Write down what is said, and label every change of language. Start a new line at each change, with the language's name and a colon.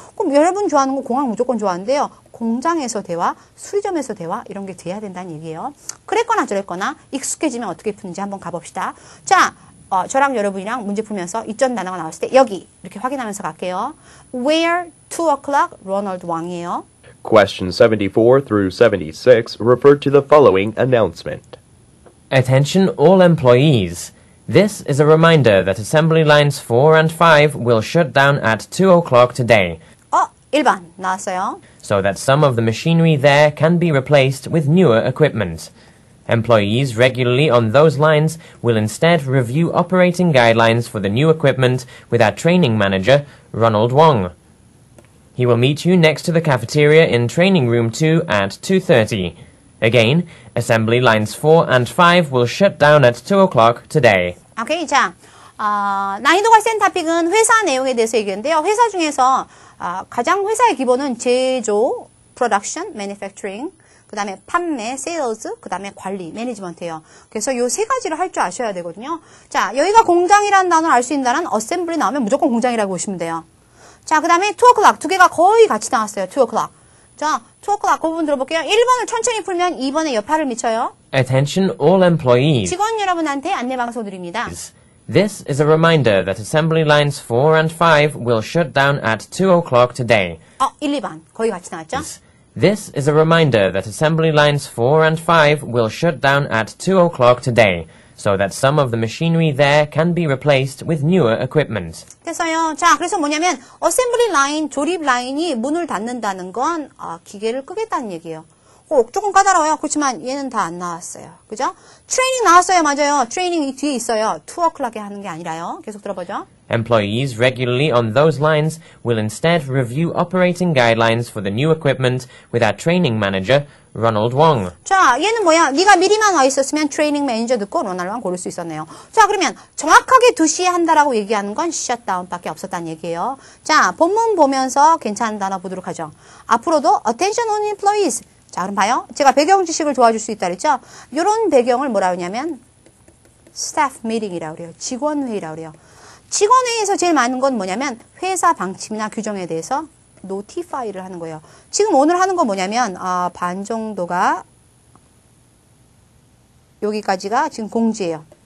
Korean: 그럼 여러분 좋아하는 거 공항 무조건 좋아하는데요. 공장에서 대화, 수리점에서 대화 이런 게 돼야 된다는 얘기예요. 그랬거나 저랬거나 익숙해지면 어떻게 푸는지 한번 가봅시다. 자, 저랑 여러분이랑 문제 풀면서 이전 단어가 나왔을 때 여기 이렇게 확인하면서 갈게요.
English: Where 2 o'clock? 로널드 왕이에요. Question 74 through 76 refer to the following announcement. Attention all employees. This is a reminder that assembly lines 4 and 5 will shut down at 2 o'clock today.
Korean: 1번 나왔어요.
English: So that some of the machinery there can be replaced with newer equipment. Employees regularly on those lines will instead review operating guidelines for the new equipment with our training manager, Ronald Wong. He will meet you next to the cafeteria in training room 2 at 2:30. Again, assembly lines 4 and 5 will shut down at 2 o'clock today.
Korean: Okay, 자, 난이도 관련 topic은 회사 내용에 대해서 얘기인데요. 회사 중에서 가장 회사의 기본은 제조, production, manufacturing, 그 다음에 판매, sales, 그 다음에 관리, 매니지먼트예요. 그래서 요 세 가지를 할 줄 아셔야 되거든요. 자, 여기가 공장이라는 단어를 알 수 있는 단어는 assembly 나오면 무조건 공장이라고 보시면 돼요. 자, 그 다음에 2 o'clock, 두 개가 거의 같이 나왔어요.
English: 2 o'clock.
Korean: 자, 2 o'clock 그 부분 들어볼게요. 1번을 천천히 풀면 2번에 여파를 미쳐요.
English: Attention all employees.
Korean: 직원 여러분한테 안내방송 드립니다.
English: This is a reminder that assembly lines 4 and 5 will shut down at 2 o'clock today.
Korean: 1, 2번 거의 같이 나왔죠?
English: This is a reminder that assembly lines 4 and 5 will shut down at 2 o'clock today, so that some of the machinery there can be replaced with newer equipment.
Korean: 됐어요. 자, 그래서 뭐냐면 assembly line, 조립 라인이 문을 닫는다는 건 기계를 끄겠다는 얘기예요. 조금 까다로워요. 그렇지만 얘는 다 안 나왔어요. 그죠? 트레이닝 나왔어요. 맞아요. 트레이닝이 뒤에 있어요. 2 o'clock에 하는 게 아니라요. 계속 들어보죠.
English: Employees regularly on those lines will instead review operating guidelines for the new equipment with our training manager, Ronald Wong.
Korean: 자, 얘는 뭐야? 네가 미리만 와 있었으면 트레이닝 매니저 듣고 로날드 왕 고를 수 있었네요. 자, 그러면 정확하게 2시에 한다라고 얘기하는 건 셧다운밖에 없었다는 얘기예요. 자, 본문 보면서 괜찮은 단어 보도록 하죠.
English: 앞으로도 attention on employees.
Korean: 자, 그럼 봐요. 제가 배경 지식을 도와줄 수 있다 그랬죠? 요런 배경을 뭐라 그러냐면 staff meeting이라고 그래요. 직원회의라고 그래요. 직원회의에서 제일 많은 건 뭐냐면 회사 방침이나 규정에 대해서 notify를 하는 거예요. 지금 오늘 하는 건 뭐냐면 반 정도가 여기까지가 지금 공지예요.